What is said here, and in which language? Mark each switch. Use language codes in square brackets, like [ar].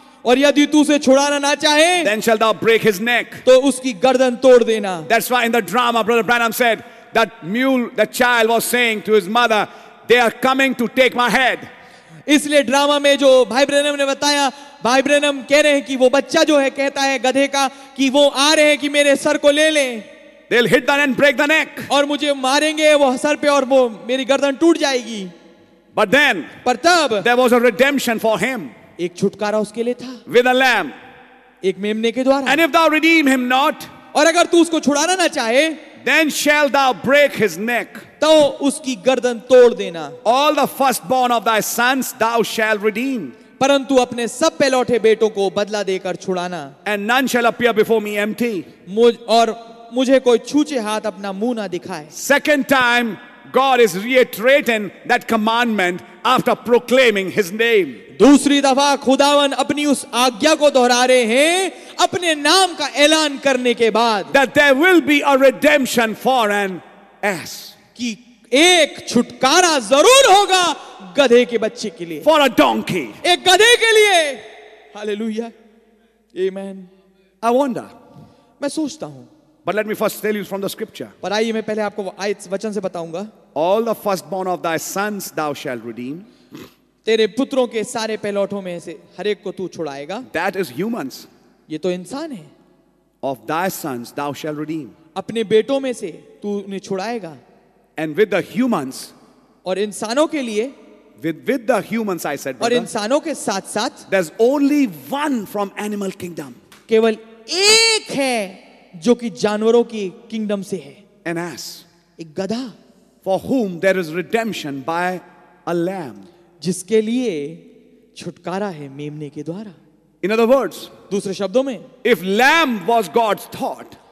[hi] और यदि तू उसे छुड़ाना ना चाहे, [en] then shalt thou break his neck. [hi] तो उसकी गर्दन तोड़ देना. [en] That's why in the drama, Brother Branham said. That mule, the child was saying to his mother, they are coming to take my head. [hi] इसलिए ड्रामा में जो भाई Branham ने बताया, भाई ब्रैनम कह रहे हैं कि वो बच्चा जो है कहता है गधे का कि वो आ रहे हैं कि मेरे सर को ले लें। [en] They'll hit the neck and break the neck. [hi] और मुझे मारेंगे वो सर पे और वो मेरी गर्दन टूट जाएगी। [en] But then, [hi] पर तब, [en] there was a redemption for him. [hi] एक छुटकारा उसके लिए था। [en] With a lamb. [hi] एक मेमने के द्वारा। [en] And if thou redeem him not, [hi] और अगर तू उसको छुड़ाना ना चाहे, [en] then shall thou break his neck. [hi] तो उसकी गर्दन तोड़ देना। [en] All the firstborn of thy sons thou shall redeem. [hi] परंतु अपने सब पहलौठे बेटों को बदला देकर छुड़ाना। [en] And none shall appear before me empty. [hi] और मुझे कोई छूचे हाथ अपना मुंह ना दिखाए। [en] Second time, God is reiterating that commandment after proclaiming His name. [hi] दूसरी दफा खुदावन अपनी उस आज्ञा को दोहरा रहे हैं अपने नाम का ऐलान करने के बाद। [en] That there will be a redemption for an ass. [hi] कि एक छुटकारा जरूर होगा गधे के बच्चे के लिए। [en] For a donkey. [hi] एक गधे के लिए। Hallelujah. Amen. [en] I wonder. [hi] मैं सोचता हूँ। [en] But let me first tell you from the scripture. [hi] पर आइए मैं पहले आपको आयत वचन से बताऊंगा। [en] All the firstborn of thy sons thou shalt redeem. [hi] तेरे पुत्रों के सारे पहलौठों में से हर एक को तू छुड़ाएगा। [en] That is humans. [hi] ये तो इंसान है। [en] Of thy sons thou shalt redeem. [hi] अपने बेटों में से तू उन्हें छुड़ाएगा। [en] And with the humans. [hi] और इंसानों के लिए। [en] With the humans I said. [hi] और इंसानों के साथ साथ। [en] There's only one from animal kingdom. [hi] केवल एक है। जो कि जानवरों की किंगडम से है। [en] An ass. [hi] एक गधा। [en] For whom there is redemption by a lamb. [hi] जिसके लिए छुटकारा है मेमने के द्वारा। [en] In other words, [hi] दूसरे शब्दों में, [en] if lamb was God's thought,